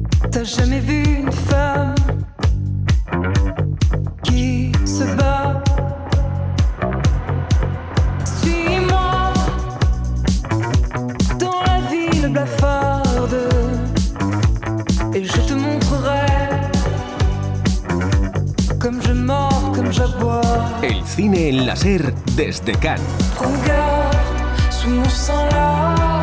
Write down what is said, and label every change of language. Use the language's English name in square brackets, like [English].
[French] T'as jamais vu une femme qui se bat. Suis-moi dans la ville blafarde et je te montrerai comme je mords, comme j'aboie. [Spanish] El cine en la SER desde Cannes. [French] Prends garde sous mon sang là.